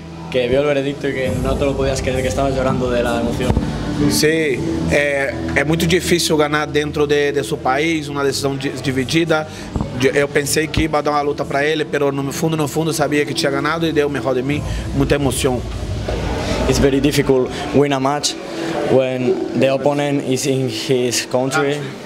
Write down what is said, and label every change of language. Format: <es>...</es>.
<es>Que vio el veredicto y que no te lo podías creer, que estabas llorando de la emoción. Sí, es muy difícil ganar dentro de su país, una decisión dividida.</es> <pt>Eu pensei que ia dar uma luta para ele, mas no fundo sabia que tinha ganhado e deu o melhor de mim, muita emoção.</pt> <en>It's very difficult win a match when the opponent is in his country.</en>